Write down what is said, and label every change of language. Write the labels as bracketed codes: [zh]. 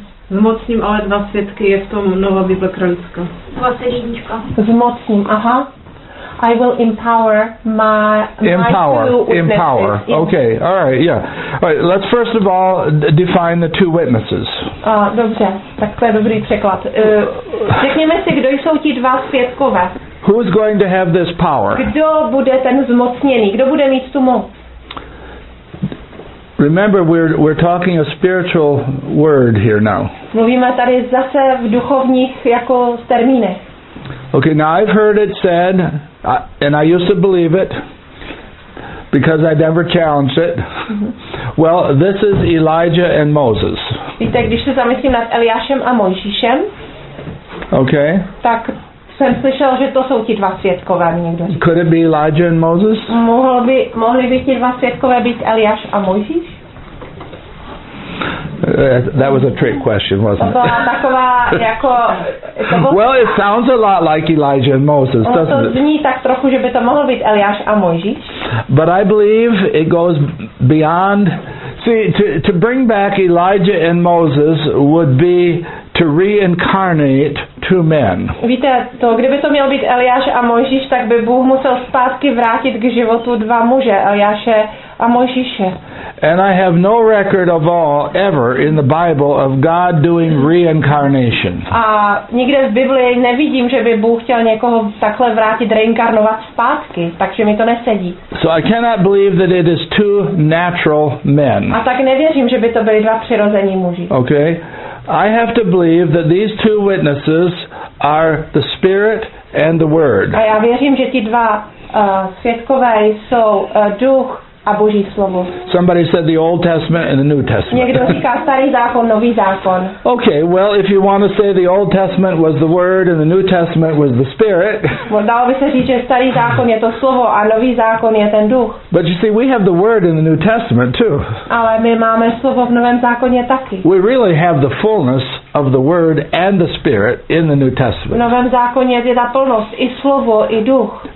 [cs] zmocním, ale dva svědky je v tom Nová Bible Kralická. Zmocním, aha. [en] I will empower my two witnesses. Empower. Okay. All right. Yeah. All right. Let's first of all define the two witnesses. [cs] Dobře. Tak to je dobrý překlad. Řekněme si, kdo jsou ti dva svědkové. [en] Who is going to have this power? [cs] Kdo bude ten zmocněný? Kdo bude mít tu moc? [en] Remember, we're talking a spiritual word here now. [cs] Mluvíme tady zase v duchovních jako termínech. [en] Okay. Now I've heard it said. And I used to believe it because I never challenged it. Well, this is Elijah and Moses. [cs] Víte, když se zamyslím nad Eliášem a Mojžíšem. [en] Okay. [cs] Tak jsem slyšel, že to jsou ti dva svědkové, někdo říká. [en] Could it be Elijah and Moses? [cs] Mohli by ti dva svědkové být Eliáš a Mojžíš? [en] That was a trick question, wasn't it? Well, it sounds a lot like Elijah and Moses, doesn't it? But I believe it goes beyond. See, to bring back Elijah and Moses would be to reincarnate two men. [cs] Víte, to kdyby to měl být Eliáš a Mojžíš, tak by Bůh musel zpátky vrátit k životu dva muže, Eliáše a Mojžíše. [en] And I have no record of all ever in the Bible of God doing reincarnation. [cs] A nikde v Bibli nevidím, že by Bůh chtěl někoho takhle vrátit, reinkarnovat zpátky, takže mi to nesedí. [en] So I cannot believe that it is two natural men. [cs] A tak nevěřím, že by to byli dva přirození muži. [en] Okay. I have to believe that these two witnesses are the Spirit and the Word. [cs] A já věřím, že ti dva svědkové jsou duch a Boží slovo. [en] Somebody said the Old Testament and the New Testament. [cs] Někdo říká starý zákon, nový zákon. [en] Okay, well, if you want to say the Old Testament was the Word and the New Testament was the Spirit. [cs] Dalo by se říct, že starý zákon je to slovo a nový zákon je ten duch. [en] But you see, we have the Word in the New Testament too. [cs] Ale my máme slovo v novém zákoně taky. [en] We really have the fullness of the Word and the Spirit in the New Testament. [cs] V novém zákoně je ta plnost i slovo i duch.